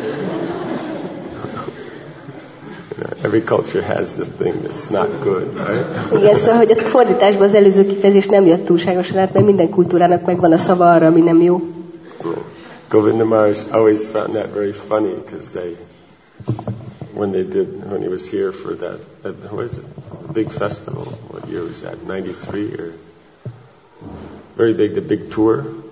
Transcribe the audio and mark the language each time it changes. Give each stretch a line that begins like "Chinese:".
English: Yeah. You know, every culture has the thing that's not good, right?
Hungarian: Igen, szóval, hogy a fordításban az előző kifejezés nem jött túlságosan át, mert minden kultúrának megvan a szava arra, ami nem jó.
English: Govinda Maharaj always found that very funny because they, when they did, when he was here for that, what is it, the big festival, what year was that, 93 or, very big, the big tour.